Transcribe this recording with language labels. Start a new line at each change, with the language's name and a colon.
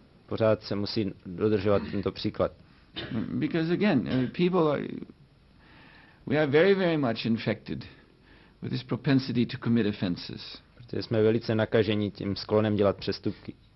Czech: Pořád se musí dodržovat tento příklad.
English: Because again, people are, we are very, very much infected with this propensity to commit offenses.
Czech: Protože jsme velice nakaženi tím sklonem dělat přestupky.